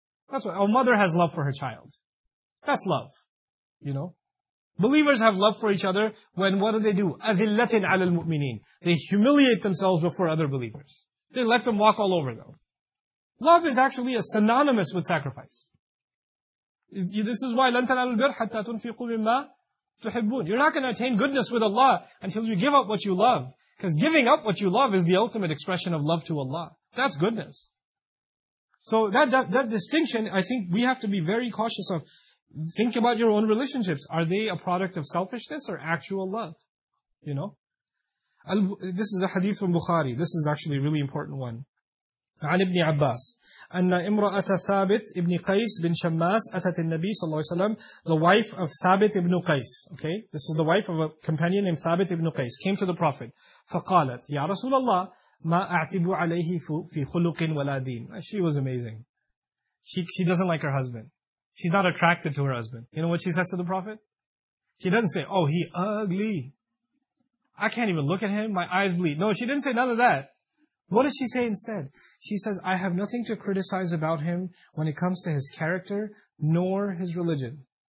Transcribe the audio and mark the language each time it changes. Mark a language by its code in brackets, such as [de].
[en] That's what a mother has love for her child. That's love. You know? Believers have love for each other when what do? [ar] أَذِلَّةٍ عَلَى الْمُؤْمِنِينَ. [en] They humiliate themselves before other believers. They let them walk all over them. Love is actually a synonymous with sacrifice. This is why [ar] لَنْ تَنَعَلُ الْبِرْ حَتَّى تُنْفِقُوا مِمَّا تُحِبُّونَ. [en] You're not going to attain goodness with Allah until you give up what you love. Because giving up what you love is the ultimate expression of love to Allah. That's goodness. So that distinction, I think we have to be very cautious of. Think about your own relationships. Are they a product of selfishness or actual love? You know? This is a hadith from Bukhari. This is actually a really important one. [ar] عن ابن عباس أن امرأة ثابت ابن قيس بن شماس أتت النبي صلى الله عليه وسلم. [en] The wife of ثابت ابن قيس. Okay? This is the wife of a companion named ثابت ابن قيس. Came to the Prophet. [ar] فقالت يا رسول الله ما أعتب عليه في خلق ولا دين. [en] She was amazing. She doesn't like her husband. She's not attracted to her husband. You know what she says to the Prophet? She doesn't say, oh, he ugly. I can't even look at him. My eyes bleed. No, she didn't say none of that. What does she say instead? She says, I have nothing to criticize about him when it comes to his character, nor his religion.